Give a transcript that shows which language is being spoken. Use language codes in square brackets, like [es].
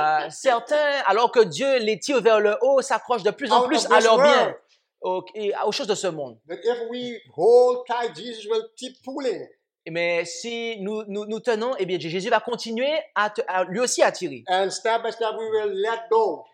[fr] Certains, alors que Dieu les tire vers le haut, s'accrochent de plus en plus à leur bien, aux choses de ce monde. [en] But if we hold tight, Jesus will keep pulling. [fr] Mais si nous tenons, eh bien, Jésus va continuer à lui aussi à tirer. [en] And step by step, we will let go.